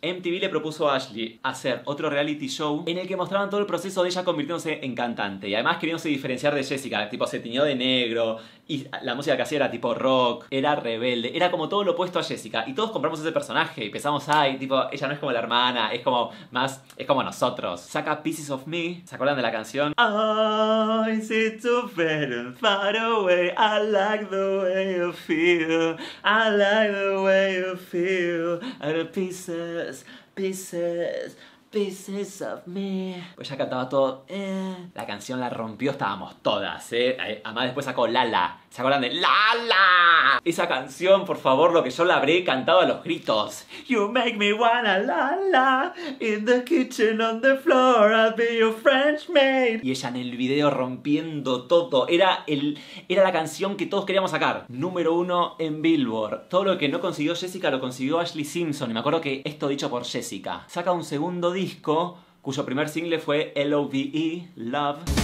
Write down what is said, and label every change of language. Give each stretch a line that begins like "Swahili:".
Spanish: MTV le propuso a Ashley hacer otro reality show en el que mostraban todo el proceso de ella convirtiéndose en cantante y además queriéndose diferenciar de Jessica, tipo se tiñó de negro y la música que hacía era tipo rock, era rebelde, era como todo lo opuesto a Jessica y todos compramos ese personaje y pensamos, ay, tipo, ella no es como la hermana, es como más, es como nosotros. Saca Pieces of Me, ¿se acuerdan de la canción?
English: Oh, is it too bad? Far away, I like the way you feel. I like the way you feel. And the pieces, pieces, pieces of me.
Spanish: Pues ya cantaba todo. La canción la rompió, estábamos todas, ¿eh? Además, después sacó Lala. ¿Se acuerdan de Lala? Esa canción, por favor, lo que yo la habré cantado a los gritos.
English: You make me wanna Lala. In the kitchen on the floor, I'll be your French maid.
Spanish: Y ella en el video rompiendo todo. Era la canción que todos queríamos sacar. Número uno en Billboard. Todo lo que no consiguió Jessica lo consiguió Ashley Simpson. Y me acuerdo que esto dicho por Jessica. Saca un segundo disco, cuyo primer single fue L-O-V-E, Love.